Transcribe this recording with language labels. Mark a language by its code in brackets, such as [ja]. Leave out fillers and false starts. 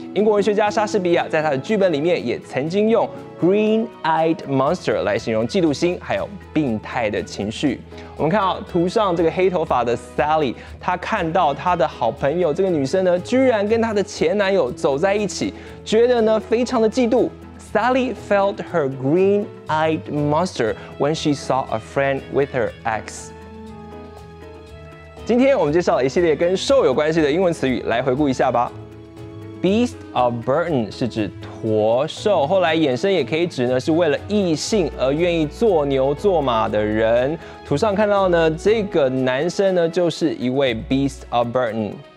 [zh] 英国文学家莎士比亚在他的剧本里面也曾经用 green-eyed monster 来形容嫉妒心还有病态的情绪。我们看到图上这个黑头发的 Sally， 她看到她的好朋友这个女生呢居然跟她的前男友走在一起，觉得呢非常的嫉妒。 [en] Sally felt her green-eyed monster when she saw a friend with her ex。 [zh] 今天我们介绍了一系列跟兽有关系的英文词语，来回顾一下吧。 Beast of Burden 是指驼兽，后来衍生也可以指呢是为了异性而愿意做牛做马的人。图上看到呢这个男生呢就是一位 Beast of Burden。